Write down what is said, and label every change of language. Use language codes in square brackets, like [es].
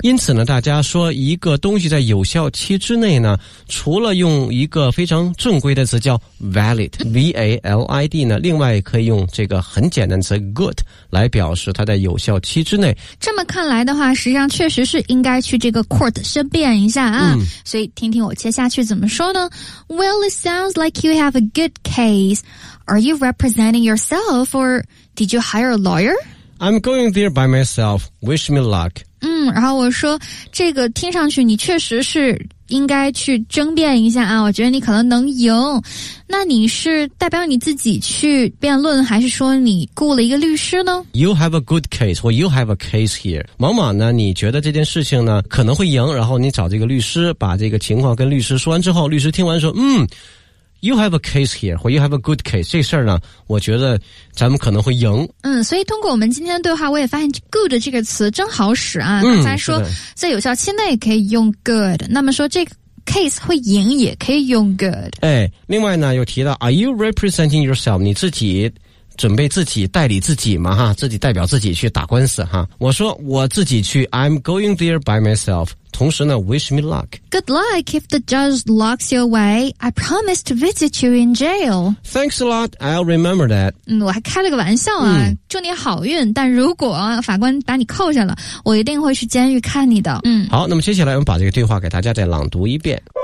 [zh] 因此呢，大家说一个东西在有效期之内呢，除了用一个非常正规的词叫 valid，V-A-L-I-D 呢，另外可以用这个很简单词 good 来表示它在有效期之内。这么看来的话，实际上确实是应该去这个 court 申辩一下啊。所以听听我接下去怎么说呢？ [en] Well, it sounds like you have a good case. Are you representing yourself or did you hire a lawyer? I'm going there by myself. Wish me luck. [zh] 然后我说这个听上去你确实是应该去争辩一下啊，我觉得你可能能赢。那你是代表你自己去辩论，还是说你雇了一个律师呢？ [en] You have a good case, or you have a case here. [zh] 往往呢，你觉得这件事情呢可能会赢，然后你找这个律师，把这个情况跟律师说完之后，律师听完说， [en] You have a case here, or you have a good case. [zh] 这事儿呢，我觉得咱们可能会赢。所以通过我们今天的对话，我也发现 good 这个词真好使啊。刚才说在有效期内可以用 good， 那么说这个 case 会赢也可以用 good。哎，另外呢，又提到 [en] Are you representing yourself？ [zh] 你自己准备自己代理自己嘛哈，自己代表自己去打官司哈。我说我自己去 ， [en] I'm going there by myself。 [zh] 同时呢 ， [en] wish me luck。 Good luck if the judge locks your way. I promise to visit you in jail. Thanks a lot. I'll remember that. [zh] 嗯，我还开了个玩笑啊，祝你好运。但如果法官把你扣下了，我一定会去监狱看你的。嗯，好，那么接下来我们把这个对话给大家再朗读一遍。